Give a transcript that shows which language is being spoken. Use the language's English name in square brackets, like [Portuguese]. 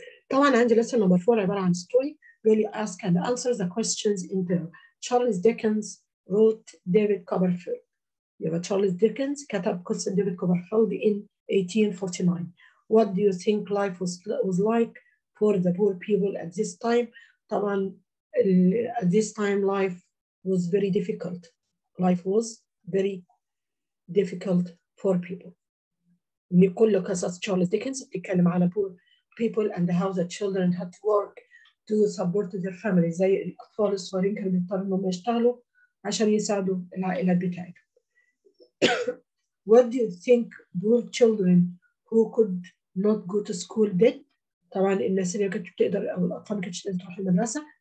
[Arabic] طبعا عندي [English] lesson number 4 [Arabic] عبارة عن [English] story. really ask and answer the questions in the Charles Dickens [Arabic] روت ديفيد كوبرفيلد. يبقى تشارلز ديكنز كتب قصة ديفيد كوبرفيلد [English] in 1849. What do you think life was like for the poor people at this time? طبعا at this time life was very difficult. Life was very difficult for people. [Arabic] كل قصص تشارلز ديكنز بتتكلم على [English] poor people and how the children had to work to support their families. [Arabic] زي الأطفال الصغيرين كانوا بيضطروا إنهم يشتغلوا عشان يساعدوا العائلات بتاعتهم. [English] What do you think poor children who could not go to school did? [Arabic] طبعا الناس اللي كانت بتقدر أو الأطفال كانت بتقدر تروح المدرسة.